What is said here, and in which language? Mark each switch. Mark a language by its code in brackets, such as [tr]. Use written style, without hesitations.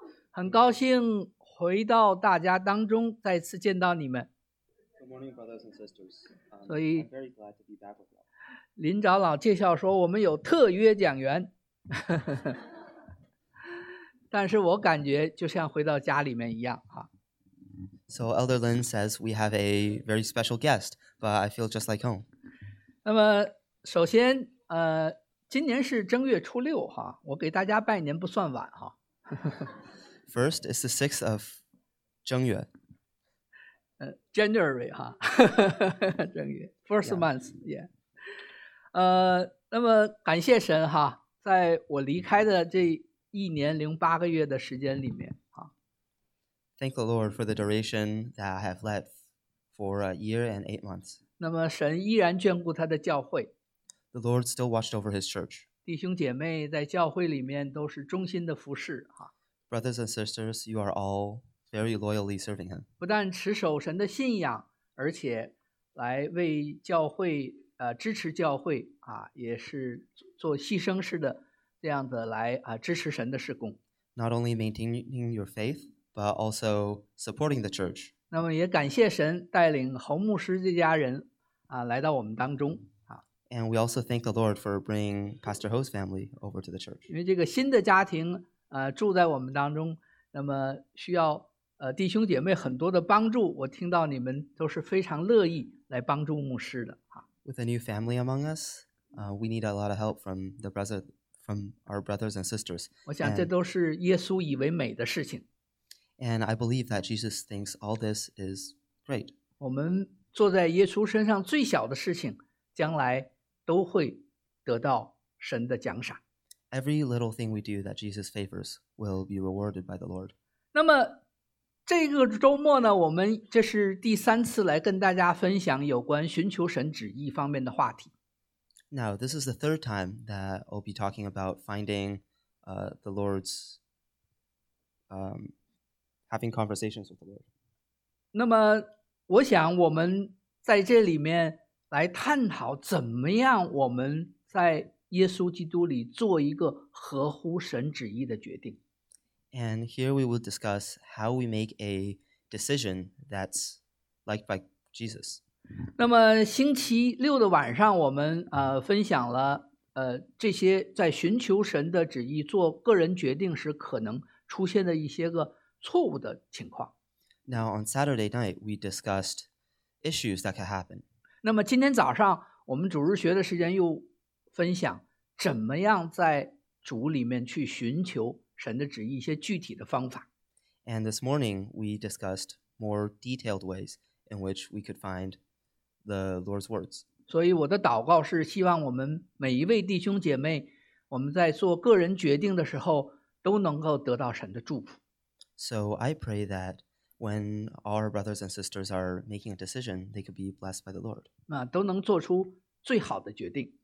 [zh] 很高兴回到大家当中，再次见到你们。 [en] Good morning, brothers and sisters. [zh] 所以， [en] I'm very glad to be back with you. [zh] 林长老介绍说，我们有特约讲员，但是我感觉就像回到家里面一样啊。 [en] So Elder Lin says we have a very special guest, but I feel just like home. [zh] 那么，首先，今年是正月初六哈，我给大家拜年不算晚哈。 [en] First is the sixth of 正月。 January 哈，正月，first month，yeah。 [zh] 那么感谢神哈，在我离开的这1年零8个月的时间里面哈。 [en] Thank the Lord for the duration that I have left for 1 year and 8 months. [zh] 那么神依然眷顾他的教会。 [en] The Lord still watched over His church. [zh] 弟兄姐妹在教会里面都是忠心的服侍哈。 [en] Brothers and sisters, you are all very loyally serving Him. [zh] 不但持守神的信仰，而且来为教会支持教会啊，也是做牺牲式的这样子来支持神的事工。 [en] Not only maintaining your faith, but also supporting the church. [zh] 那么也感谢神带领侯牧师这家人啊来到我们当中。 [en] And we also thank the Lord for bringing Pastor Ho's family over to the church. [zh] 因为这个新的家庭住在我们当中，那么需要弟兄姐妹很多的帮助。我听到你们都是非常乐意来帮助牧师的啊。 [en] With a new family among us, we need a lot of help from our brothers and sisters. [zh] 我想这都是耶稣以为美的事情。 [en] And I believe that Jesus thinks all this is great. [zh] 我们做在耶稣身上最小的事情，将来都会得到神的奖赏。 [en] Every little thing we do that Jesus favors will be rewarded by the Lord. [zh] 那么这个周末呢，我们这是第三次来跟大家分享有关寻求神旨意方面的话题。 [en] Now, this is the third time that I'll be talking about finding the Lord's having conversations with the Lord. [zh] 那么我想我们在这里面来探讨怎么样我们在耶稣基督里做一个合乎神旨意的决定。 [en] And here we will discuss how we make a decision that's liked by Jesus. [zh] 那么星期六的晚上我们分享了这些在寻求神的旨意做个人决定时可能出现的一些个错误的情况。 [en] Now on Saturday night we discussed issues that could happen. [zh] 那么今天早上我们主日学的时间又分享怎么样在主里面去寻求神的旨意一些具体的方法。 [en] And this morning we discussed more detailed ways in which we could find the Lord's words. [zh] 所以我的祷告是希望我们每一位弟兄姐妹我们在做个人决定的时候都能够得到神的祝福。 [en] So I pray that when all our brothers and sisters are making a decision, they could be blessed by the Lord. [zh] 那都能做出最好的决定。